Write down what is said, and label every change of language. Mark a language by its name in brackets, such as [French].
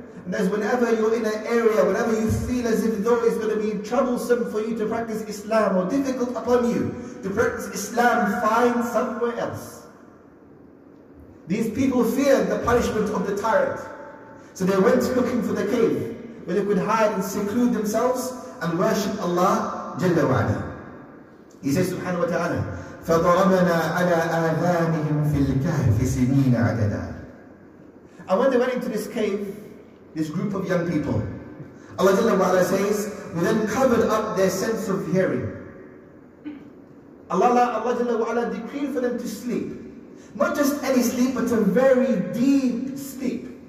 [English] And that is, whenever you're in an area, whenever you feel as if though it's going to be troublesome for you to practice Islam, or difficult upon you to practice Islam, find somewhere else. These people feared the punishment of the tyrant. So they went looking for the cave where they could hide and seclude themselves and worship Allah Jalla wa Ala. He says subhanahu wa ta'ala, [Arabic] فَضَرَبَنَا عَلَى آذَانِهِمْ فِي الْكَهْفِ سِنِينَ عَدَدًا. [English] And when they went into this cave, this group of young people, Allah Jalla wa Ala says, we then covered up their sense of hearing. Allah Jalla wa Ala decreed for them to sleep. not just any sleep, but a very deep sleep.